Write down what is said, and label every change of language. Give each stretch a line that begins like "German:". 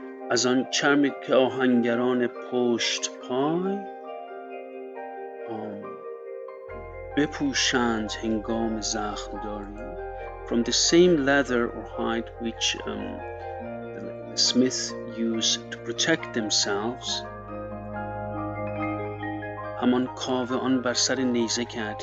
Persian: از آن چرم که آهنگران پشت پای بپوشند هنگام زخم داری.
English: From the same leather or hide which the smith use to protect themselves.
Persian: همان کاوه آن بر سر نیزه کرد.